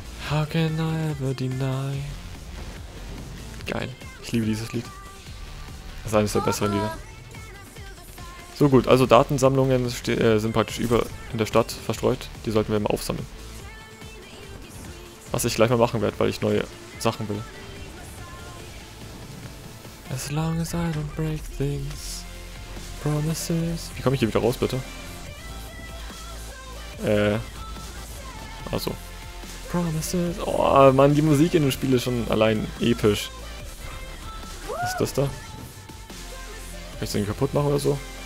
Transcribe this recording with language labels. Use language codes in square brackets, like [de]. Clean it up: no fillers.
[en] How can I ever deny? [de] Geil. Ich liebe dieses Lied. Das ist eines der besseren Lieder. So gut, also Datensammlungen sind praktisch über in der Stadt verstreut. Die sollten wir mal aufsammeln. Was ich gleich mal machen werde, weil ich neue Sachen will. [en] As long as I don't break things. Promises. [de] Wie komme ich hier wieder raus, bitte? Achso. Promises. Oh Mann, die Musik in dem Spiel ist schon allein episch. Was ist das da? Kann ich den kaputt machen oder so?